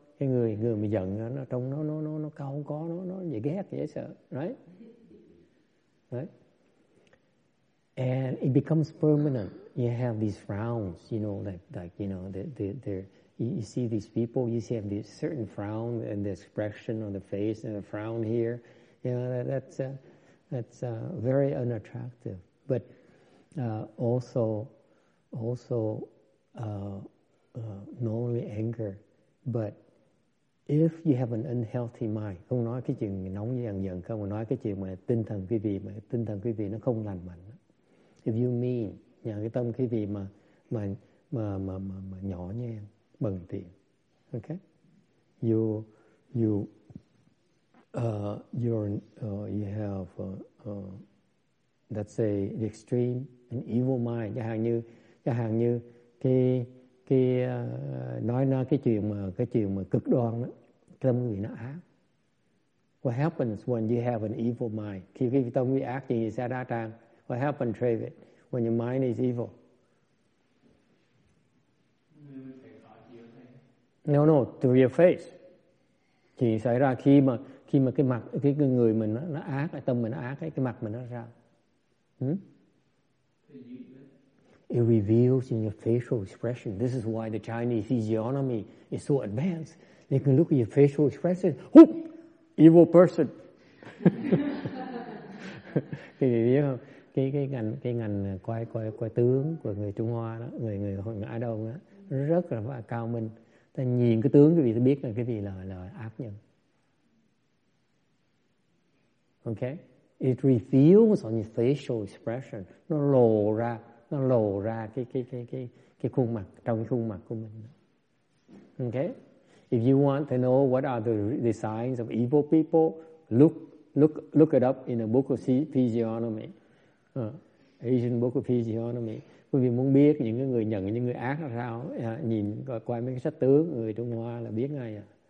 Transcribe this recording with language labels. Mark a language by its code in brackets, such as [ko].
[vi] Cái người mà giận nó trông nó cau có, nó dễ ghét, dễ sợ, right? [en] And it becomes permanent. You have these frowns, you know, like you know, you see these people, you see this certain frown and the expression on the face and the frown here, you know, that's very unattractive. But also not only anger, but if you have an unhealthy mind, [vi] không nói cái chuyện nóng giận không, mà nói cái chuyện mà tinh thần quý vị nó không lành mạnh. [en] If you mean [vi] nhờ cái tâm quý vị mà nhỏ nhen bằng tiền. [en] Ok, you have let's say the extreme an evil mind, [vi] chẳng hạn như cái chuyện mà cực đoan đó, tâm quý vị nó ác. [en] What happens when you have an evil mind? [vi] Khi cái tâm quý vị ác thì sẽ ra trang. [en] What happens, David, when your mind is evil? No, to your face. [vi] Thì xảy ra khi mà cái mặt, cái người mình nó ác, cái tâm mình nó ác, cái mặt mình nó ra. [en] It reveals in your facial expression. This is why the Chinese physiognomy is so advanced. They can look at your facial expression. Whoop! Evil person. [vi] Thì biết không? Cái ngành quay tướng của người Trung Hoa đó, người Á Đông đó, rất là cao minh. Ta nhìn cái tướng cái vị ta biết là cái vị là ác nhân. [en] Okay? It reveals on your facial expression. [vi] Nó lộ ra cái khuôn mặt, trong khuôn mặt của mình. [en] Okay? If you want to know what are the signs of evil people, look it up in a book of physiognomy. Asian book of physiognomy. [vi] Quý vị muốn biết những cái người nhận những người ác là sao, nhìn qua mấy cái sách tướng người Trung Hoa là biết ngay.